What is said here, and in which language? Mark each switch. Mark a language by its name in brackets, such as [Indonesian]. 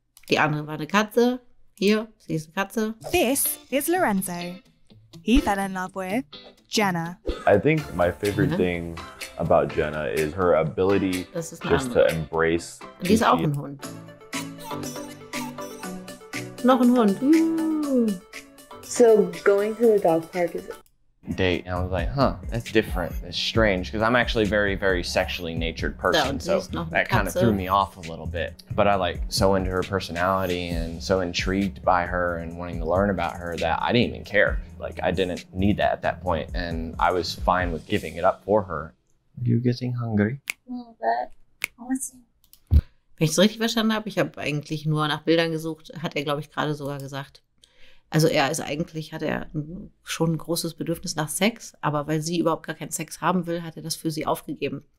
[German] Die andere war eine Katze. Hier, sie ist eine Katze. [English] This is Lorenzo. He fell in love with Jenna. I think my favorite thing about Jenna is her ability just to embrace. [German] Die ist auch ein Hund. Noch ein Hund. [English] So going to the dog park is date, and I was like, huh, that's different, that's strange, because I'm actually a very, very sexually natured person, so that kind of threw me off a little bit. But I like so into her personality and so intrigued by her and wanting to learn about her that I didn't even care. Like, I didn't need that at that point, and I was fine with giving it up for her. Are you getting hungry? [German] Wenn ich es richtig verstanden habe, ich habe eigentlich nur nach Bildern gesucht, hat er, glaube ich, gerade sogar gesagt. Also er ist eigentlich, hat er schon ein großes Bedürfnis nach Sex, aber weil sie überhaupt gar keinen Sex haben will, hat er das für sie aufgegeben.